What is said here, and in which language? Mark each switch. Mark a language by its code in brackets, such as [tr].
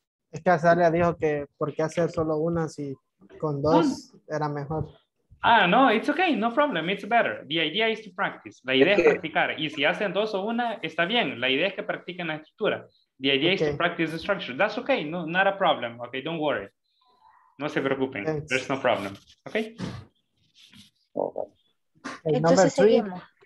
[es] Es que Azalea dijo que por qué hacer solo una si con dos era mejor. [en] Ah, no, it's okay, no problem, it's better. The idea is to practice. [es] La idea es practicar. Y si hacen dos o una, está bien. La idea es que practiquen la estructura. [en] The idea is to practice the structure. That's okay, no, not a problem. Okay, don't worry. [es] No se preocupen, [en] there's no problem. Ok. [es] Entonces seguimos.